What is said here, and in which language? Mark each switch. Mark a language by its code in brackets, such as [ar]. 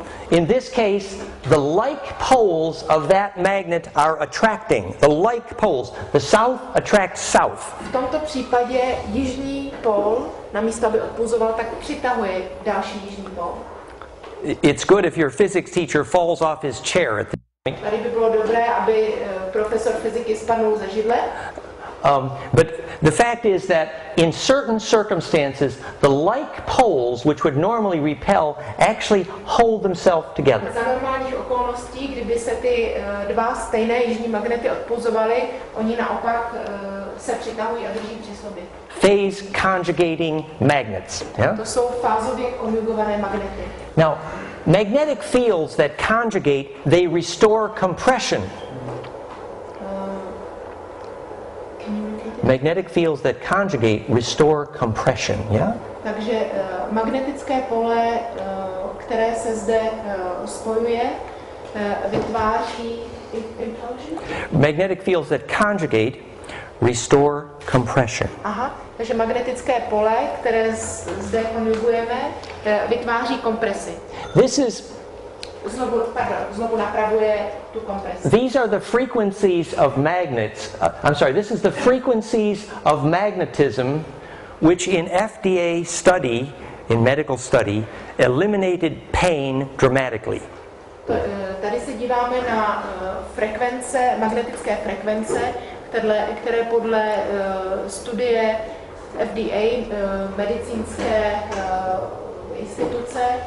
[en] In this case, the like poles of that magnet are attracting. The like poles. The south attracts south. [cs] V tomto případě jižní pól, namísto aby odpulzoval, tak přitahuje další jižní pól. [en] It's good if your physics teacher falls off his chair at this point. [cs] Tady by bylo dobré, aby profesor fyziky spadnul ze židle. [en] But the fact is that in certain circumstances, the like poles, which would normally repel, actually hold themselves together. [cs] Za normálních okolností, kdyby se ty dva stejné jižní magnety odpouzovaly, oni naopak se přitahují a drží při sobě. [en] Phase conjugating magnets. Yeah? [cs] To jsou fázově konjugované magnety. [en] Now, magnetic fields that conjugate, they restore compression. Magnetic fields that conjugate restore compression, yeah? [cs] Takže magnetické pole, které se zde spojuje, vytváří impulsion. [en] Magnetic fields that conjugate restore compression. [cs] Aha, takže magnetické pole, které zde konjugujeme, vytváří kompresi. [en] This is [cs] Znovu napravuje tu kompresi. [en] These are the frequencies of magnets. This is the frequencies of magnetism, which in FDA study, in medical study, eliminated pain dramatically. [cs] Tady se díváme na frekvence, magnetické frekvence, které podle studie FDA, medicínské instituce,